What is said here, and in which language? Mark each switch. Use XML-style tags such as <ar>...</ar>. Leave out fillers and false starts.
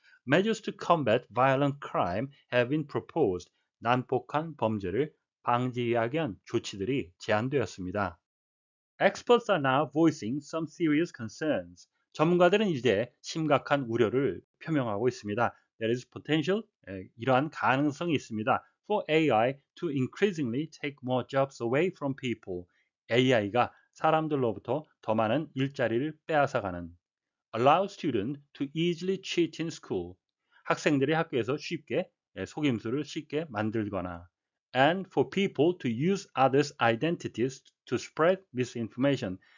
<en>Measures to combat violent crime have been proposed.</en> <ko>난폭한 범죄를 방지하기 위한 조치들이 제안되었습니다.</ko> <en>Experts are now voicing some serious concerns.</en> <ko>전문가들은 이제 심각한 우려를 표명하고 있습니다.</ko> <en>There is potential,</en> <ko>이러한 가능성이 있습니다.</ko> <en>For AI to increasingly take more jobs away from people.</en> <ko>AI가 사람들로부터 더 많은 일자리를 빼앗아가는.</ko> <en>Allow students to easily cheat in school.</en> <ko>학생들이 학교에서 쉽게 속임수를 쉽게 만들거나</ko> <en>and for people to use others' identities to spread misinformation.</en>